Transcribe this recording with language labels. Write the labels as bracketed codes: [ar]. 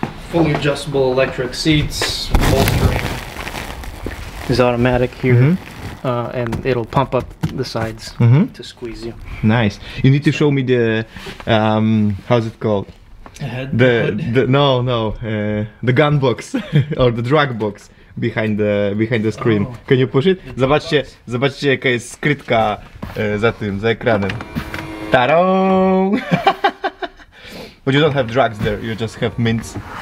[en] Fully adjustable electric seats, bolstering is automatic here. And it'll pump up the sides to squeeze you. Nice. You need to show me the how's it called? The gun box or the drug box behind the screen. Oh. Can you push it? [pl] Zobaczcie jaka jest skrytka za tym, za ekranem. Ta-da! [en] But you don't have drugs there, you just have mints.